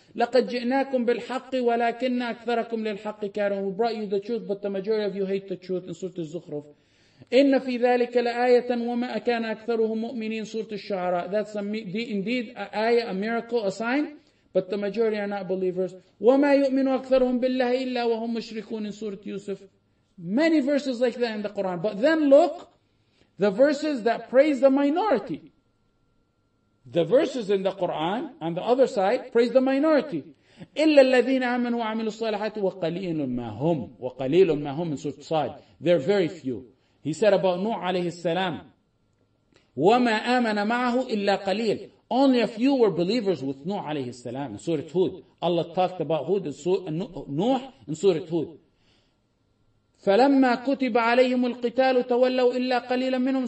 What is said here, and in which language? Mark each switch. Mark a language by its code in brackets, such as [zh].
[ar] لَقَدْ جِئْنَاكُمْ بِالْحَقِّ وَلَكِنَّ أَكْثَرَكُمْ لِلْحَقِّ كَارِهُونَ. [en] We brought you the truth, but the majority of you hate the truth in Surah Al-Zukhruf. [ar] إِنَّ فِي ذَلِكَ لَآيَةً وَمَا أَكَانَ أَكْثَرُهُمْ مُؤْمِنِينَ. Surah Al-Shu'ara. [en] That's indeed an ayah, a miracle, a sign, but the majority are not believers. [ar] وَمَا يُؤْمِنُ أَكْثَرُهُمْ بِاللَّهِ إِلَّا وَهُمْ مُشْرِكُونَ [en] in Surah Yusuf. Many verses like that in the Quran. But then look, the verses that praise the minority. The verses in the Quran, on the other side, praise the minority. [ar] إِلَّا الَّذِينَ آمَنُوا وَعَمِلُوا الصَّالِحَاتِ وَقَلِيلٌ مَا هُمْ [en] in Surah Sa'd. They're very few. He said about Nuh alayhi salam, [ar] وَمَا آمَنَ مَعَهُ إِلَّا قَلِيلٌ. [en] Only a few were believers with Nuh alayhi salam in Surah Hud. Allah talked about Hud and Nuh in Surah Hud. [ar] فَلَمَّا كُتِبَ عَلَيْهِمُ الْقِتَالُ تَوَلَّوْا إِلَّا قَلِيلًا مِنْهُمْ.